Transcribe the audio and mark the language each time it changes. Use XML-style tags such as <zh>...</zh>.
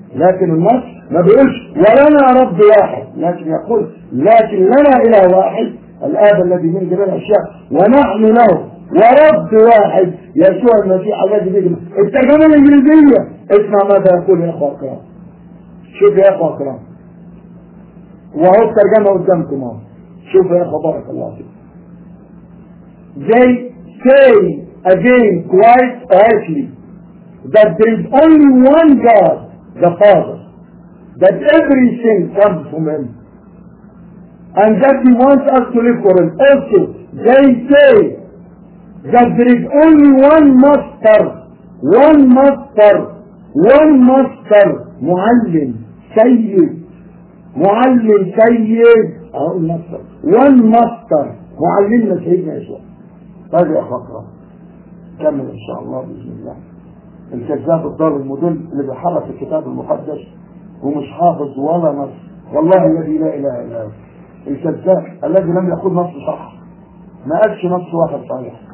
<ar>لكن النص ما بيقولش ولنا رب واحد، لكن يقول لكن لنا اله واحد الاب الذي به جميع الاشياء ونحن له، ورب واحد يسوع المسيح الذي به. الترجمه الانجليزيه اسمع ماذا يقول يا اخوة الكرام، شوف يا اخوة الكرام وهو الترجمة قدامكم اهو، شوف يا اخوة بارك الله فيك.</ar> <en>They say again quite rightly that there is only one God the Father, that everything comes from him and that he wants us to live for him. Also they say that there is only one master, one master, one master,</en> <ar>معلم سيد، معلم سيد، اقول مصدر وان مصدر، معلمنا سيدنا يسوع. هذه خطرة كمل ان شاء الله بإذن الله. الكذاب الضال المدل اللي بحرف الكتاب المقدس ومش حافظ ولا نص، والله الذي لا اله الا هو، الكذاب الذي لم يقول نص صح، ما قالش نص واحد صحيح.</ar>